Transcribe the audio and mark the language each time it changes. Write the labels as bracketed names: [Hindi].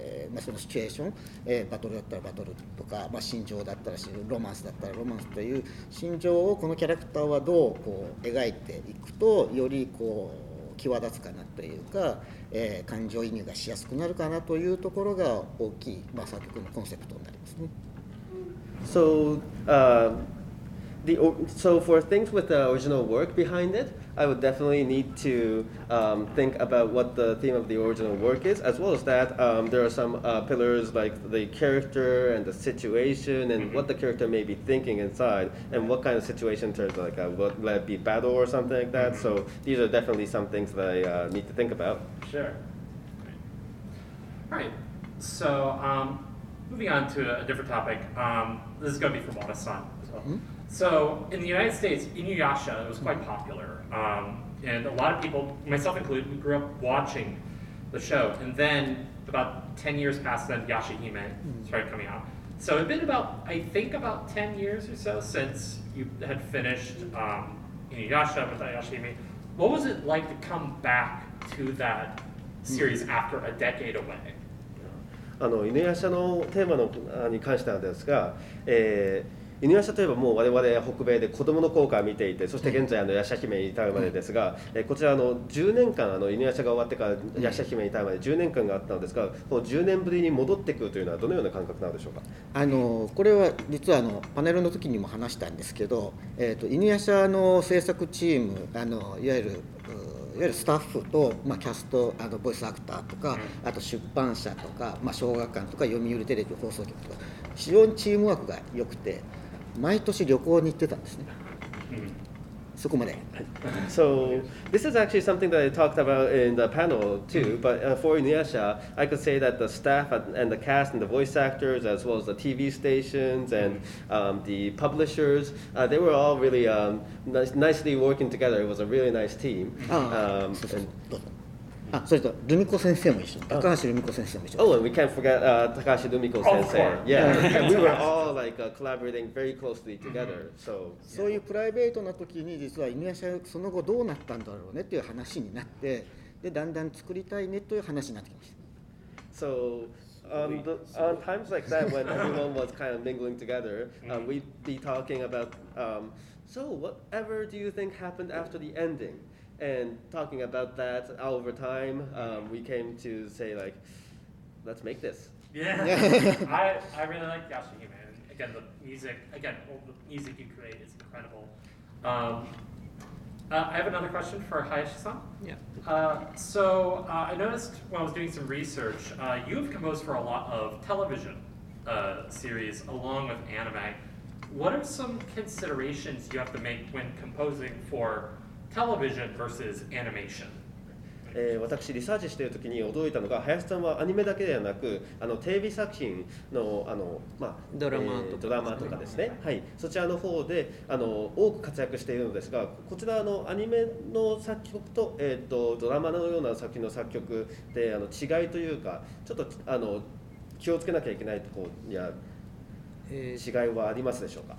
[Japanese] まあ、そのシチュエーション、バトルだったらバトルとか、まあ、心情だったらロマンスだったらロマンスという心情をこのキャラクターはどうこう描いていくとよりこう際立つかなというか、感情移入がしやすくなるかなというところが大きい、まあ、作曲のコンセプトになりますね。 [English] So, so for things with the original work behind it, I would definitely need to think about what the theme of the original work is. As well as that, there are some pillars like the character and the situation and what the character may be thinking inside and what kind of situation turns like, would that be battle or something like that? So these are definitely some things that I need to think about. Sure. All right. So, moving on to a different topic, this is going to be from Wada-san. So, in the United States, Inuyasha was quite popular, and a lot of people, myself included, we grew up watching the show, and then about 10 years past then, Yashahime started coming out. So it had been about, I think about 10 years or so since you had finished Inuyasha with Yashahime. What was it like to come back to that series after a decade away? [Japanese] Inuyasha のテーマのに関してなんですが、犬夜叉といえばもう我々北米で子供の頃から見ていて、そして現在夜叉姫に至るまでですが、こちら10年間犬夜叉が終わってから夜叉姫に至るまで10年間があったのですが、この10年ぶりに戻ってくるというのはどのような感覚なのでしょうか。これは実はパネルの時にも話したんですけど、犬夜叉の制作チーム、いわゆるスタッフと、まあ、キャスト、ボイスアクターとか、あと出版社とか、まあ、小学館とか読売テレビ放送局とか、非常にチームワークが良くて毎年旅行に行ってたんですね。そこまで。 [English] So this is actually something that I talked about in the panel too. But for Inuyasha, I could say that the staff and the cast and the voice actors, as well as the TV stations and the publishers, they were all really nicely working together. It was a really nice team. [Japanese] そうそう。あ、それとルミコ先生も一緒。高橋ルミコ先生も一緒。 [English] Oh, we can't forget、高橋ルミコ先生。Yeah, we were all like、collaborating very closely together. So, [Japanese] そういうプライベートな時に実は犬屋社その後どうなったんだろうねっていう話になって、でだんだん作りたいねという話になってきました。 [English] So, on times like that when everyone was kind of mingling together,、we'd be talking about,、so whatever do you think happened after the ending? And talking about that over time,、we came to say like, let's make this. Yeah, I really like Yashiki, man. Again, the music, again, all the music you create is incredible.、I have another question for Hayashi-san. Yeah. So I noticed when I was doing some research,、you've composed for a lot of television、series along with anime. What are some considerations you have to make when composing forテレビジョン versus animation? [Japanese] 私リサーチしているときに驚いたのが、林さんはアニメだけではなく、あのテレビ作品 の, あの、まあ、ドラマとか、ドラマとかですね、はい、そちらの方であの多く活躍しているのですが、こちらのアニメの作曲 と,、ドラマのような作品の作曲であの違いというか、ちょっとあの気をつけなきゃいけないところや違いはありますでしょうか。